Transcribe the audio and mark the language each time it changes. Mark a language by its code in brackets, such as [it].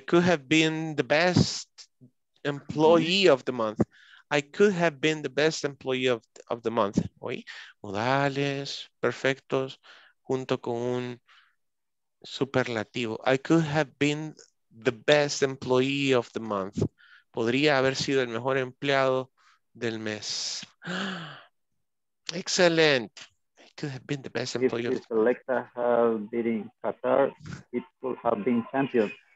[en] could have been the best employee of the month. I could have been the best employee of the month. [es] Oye, modales perfectos junto con un superlativo. [en] I could have been the best employee of the month. [es] Podría haber sido el mejor empleado del mes. [en] Excellent. Could have been the best employee. If Selecta have beaten Qatar, it could have been champion.